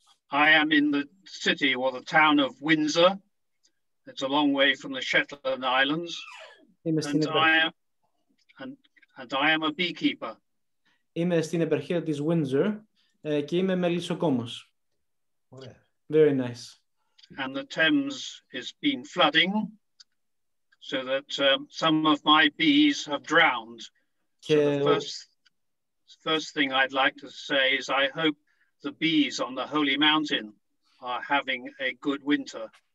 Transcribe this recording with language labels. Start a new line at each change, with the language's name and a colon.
English: I am in the city, or the town of Windsor. It's a long way from the Shetland Islands, and I am a beekeeper.
Greek: Είμαι στην επαρχία της Windsor και είμαι μελισσοκόμος.
English: Yeah. Very nice. And the Thames has been flooding, so that some of my bees have drowned.
Greek: Και...
English: So the first thing I'd like to say is I hope the bees on the Holy Mountain are having a good winter.